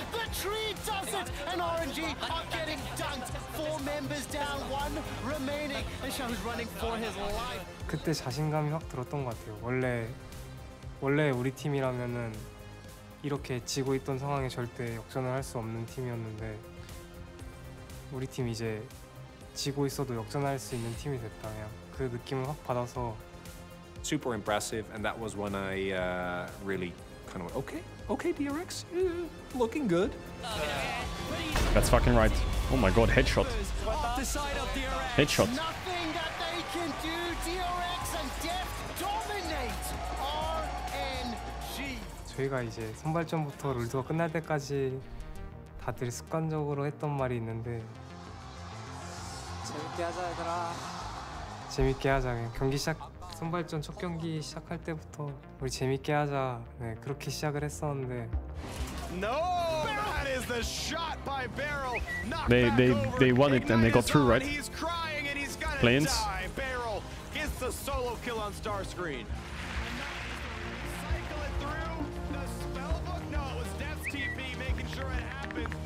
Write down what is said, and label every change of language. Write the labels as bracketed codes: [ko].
[en] The tree does it, and RNG are getting dunked. Four members down, one remaining. And Shao is running for his life. [ko] 그때 자신감이 확 들었던 것 같아요. 원래 우리 팀이라면은 이렇게 지고 있던 상황에 절대 역전을 할 수 없는 팀이었는데 우리 팀 이제 지고 있어도 역전할 수 있는 팀이 됐다. 그냥 그 느낌을 확 받아서. [en] Super impressive, and that was when I really kind of went, okay, DRX, looking good. That's fucking right. Oh my god, headshot. Headshot. Nothing that they can do. DRX and Death dominate RNG. [ko] 저희가 이제 선발전부터 롤드가 끝날 때까지 다들 습관적으로 했던 말이 있는데 재밌게 하자, 얘들아. 재밌게 하자, 경기 시작. 선발전 첫 경기 시작할 때부터 우리 재밌게 하자. 네, 그렇게 시작을 했었는데. [en] No, that is the shot by Barrel. They won it and they got through, right? Plains. Barrel gets the solo kill on Starscreen. Cycle it through the spellbook. No, it was Death's TP making sure it happens.